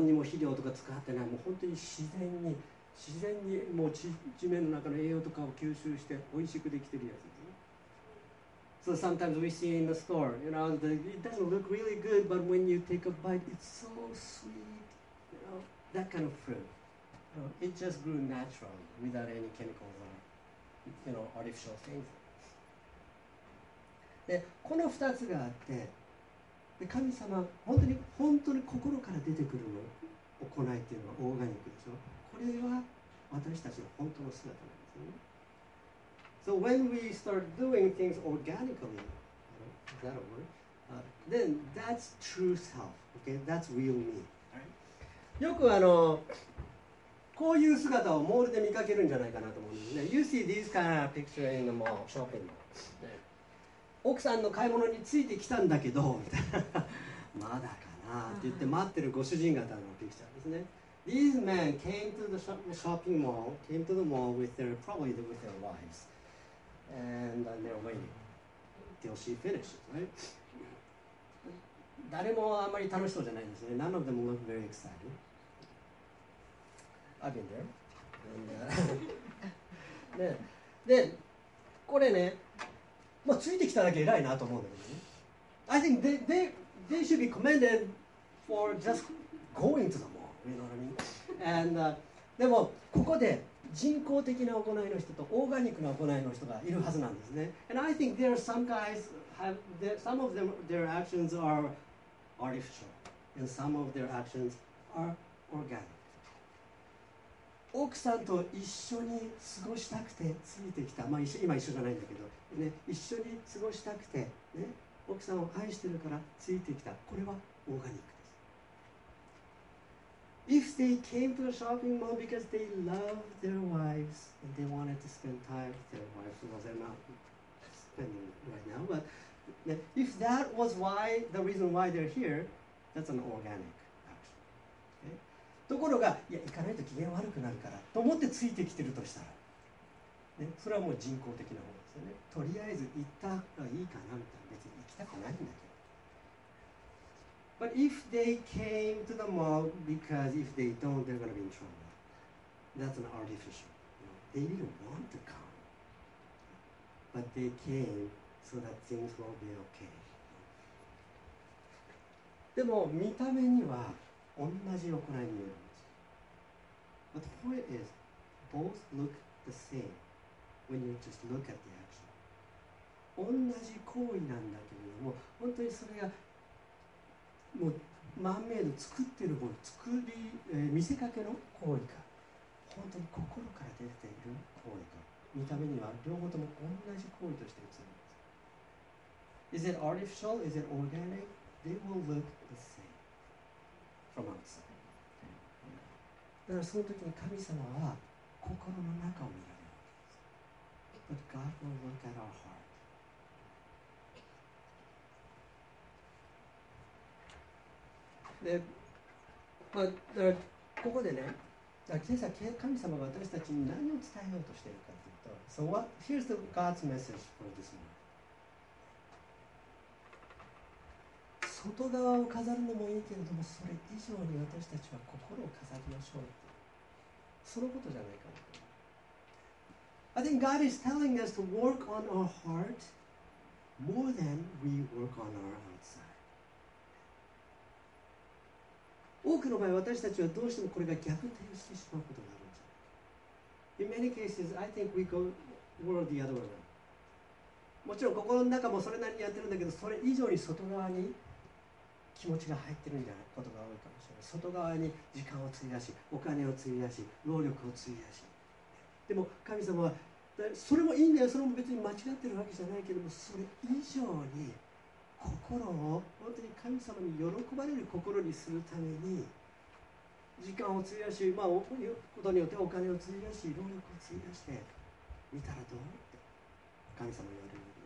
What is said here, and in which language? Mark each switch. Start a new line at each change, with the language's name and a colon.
Japanese: 何にも肥料とか使ってない。もう本当に自然にもう地面の中の栄養とかを吸収して美味しくできてるやつ。
English: So sometimes we see in the store, you know, the, it doesn't look really good, but when you take a bite, it's so sweet, you know, that kind of fruit. You know, it just grew naturally without any chemicals or, you know, artificial things.
Japanese: で、この二つがあって、で、神様、本当に心から出てくるの、行いっていうのはオーガニックでしょ。これは私たちの本当の姿なんですね。
English: So when we start doing things organically, is that a word? Then that's true self. Okay, that's real me.
Japanese: よくこういう姿をモールで見かけるんじゃないかなと思うんですね。
English: You see this kind of picture in the mall, shopping mall.
Japanese: 奥さんの買い物についてきたんだけど、みたいな。まだかなって言って待ってるご主人方のピクチャーですね。
English: These men came to the shopping mall, came to the mall with their, probably with their wives. And they're waiting till she finishes, right?
Japanese: 誰もあんまり楽しそうじゃないんですね。
English: None of them look very excited. I've been there.
Japanese: And, で、これね、まあ、ついてきただけ偉いなと思うんだけどね。
English: I think they should be commended for just going to the mall, you know what I mean?
Japanese: And, でも、ここで、人工的な行いの人とオーガニックな行いの人がいるはずなんですね。
English: And I think there are some guys have their, some of them their actions are artificial and some of their actions are organic.
Japanese: 奥さんと一緒に過ごしたくてついてきた。まあ今一緒じゃないんだけど、ね、一緒に過ごしたくて、ね、奥さんを愛してるからついてきた。これはオーガニック。
English: If they came to the shopping mall because they loved their wives and they wanted to spend time with their wives, well, they're not spending right now, but if that was why, the reason why they're here, that's an organic action.
Japanese: ところが、いや、行かないと機嫌悪くなるからと思ってついてきてるとしたら、ね、それはもう人工的なものですよね。とりあえず行ったらいいかなみたいな、別に行きたくないんだけど。
English: But if they came to the mall because if they don't, they're going to be in trouble. That's an artificial. They didn't want to come. But they came so that things will be okay.
Japanese: でも見た目には同じ行いに見えるんです。
English: But the point is, both look the same when you just look at the action.
Japanese: 同じ行為なんだけれども、本当にそれがもうマンメイド作ってるもの作り、見せかけの行為か本当に心から出ている行為か見た目には両方とも同じ行為として映るんです。
English: Is it artificial? Is it organic? They will look the same from outside.
Japanese: だからその時に神様は心の中を見られるわけです。
English: But God will look at our heart.
Japanese: でまあ、だからここでね、今朝神様が私たちに何を伝えようとしているかというと、
English: So what, here's the God's message for this morning.
Japanese: 外側を飾るのもいいけれども、それ以上に私たちは心を飾りましょうって。そのことじゃないかな。
English: I think God is telling us to work on our heart more than we work on our outside.
Japanese: 多くの場合、私たちはどうしてもこれが逆転してしまうことがあるんじゃないか。
English: In many cases, I think we go world the other way.
Japanese: もちろん心の中もそれなりにやってるんだけど、それ以上に外側に気持ちが入ってるんじゃないことが多いかもしれない。外側に時間を費やし、お金を費やし、労力を費やし。でも神様はそれもいいんだよ、それも別に間違ってるわけじゃないけども、それ以上に心を本当に神様に喜ばれる心にするために、時間を費やし、まあ、ことによってお金を費やし、労力を費やして見たらどうって神様に言われるんですね。